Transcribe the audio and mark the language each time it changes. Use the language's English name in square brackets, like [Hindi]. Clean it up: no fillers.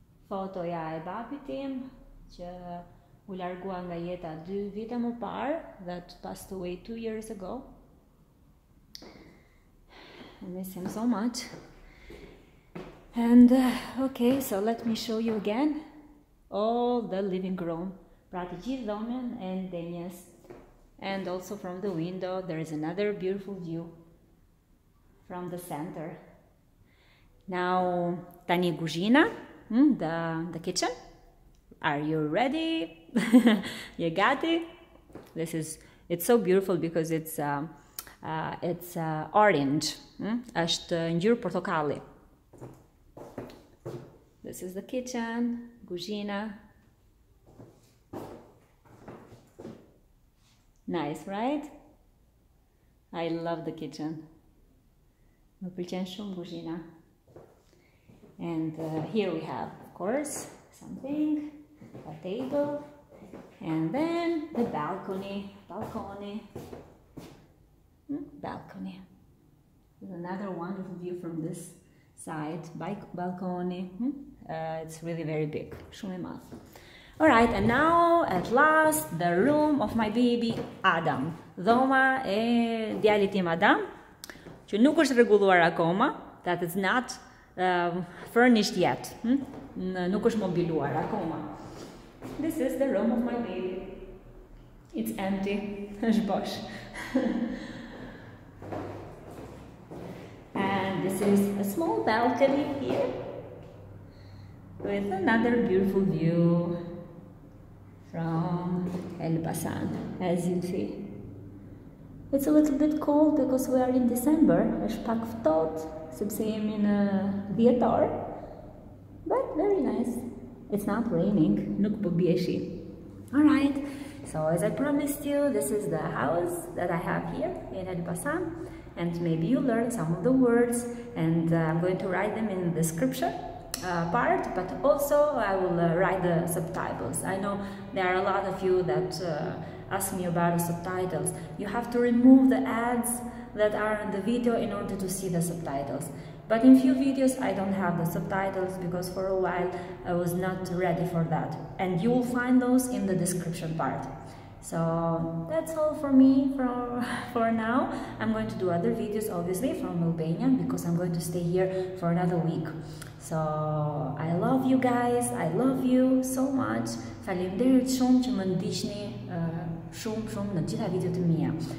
[Albanian] Fotoja e babit tim, që u largua nga jeta 2 vite më parë, [English] that passed away 2 years ago. I miss him so much. And okay, so let me show you again all the living room. [Albanian] Pra të gjithë dhomën e ndenjes. [English] And also from the window, there is another beautiful view from the center. Now, [Albanian] tani kuzhina, [English] the kitchen. Are you ready? [Albanian] Je gati? [English] This is, it's so beautiful because it's orange. [Albanian] Është ngjyrë portokalli. [English] This is the kitchen, [Albanian] kuzhina. [English] Nice, right? I love the kitchen. [Albanian] Më pëlqen shumë kuzhina. [English] And here we have, of course, something, a table, and then the balcony. Balcony. Balcony. There's another wonderful view from this side, by balcony. It's really very big. [Albanian] Shumë I madh. [English] All right, and now at last the room of my baby Adam. [Albanian] Dhoma e djalit tim Adam, që nuk është rregulluar akoma, [English] that is not furnished yet. [Albanian] Nuk është mobiluar akoma. [English] This is the room of my baby. It's empty. [Albanian] Është bosh. [English] And this is a small balcony here, with another beautiful view from Elbasan, as you see. It's a little bit cold because we are in December. [Albanian] Është pak ftohtë, sepse jemi në dhjetor. [English] But very nice. It's not raining, [Albanian] nuk po bieshi. [English] All right. So as I promised you, this is the house that I have here in Elbasan. And maybe you learned some of the words, and I'm going to write them in the description part, but also I will write the subtitles. I know there are a lot of you that ask me about the subtitles. You have to remove the ads that are in the video in order to see the subtitles. But in few videos I don't have the subtitles because for a while I was not ready for that. And you will find those in the description part. So that's all for me for now. I'm going to do other videos obviously from Albania because I'm going to stay here for another week. So I love you guys, I love you so much. [Albanian] Faleminderit shumë që më ndiqni shumë në gjitha videot e mia.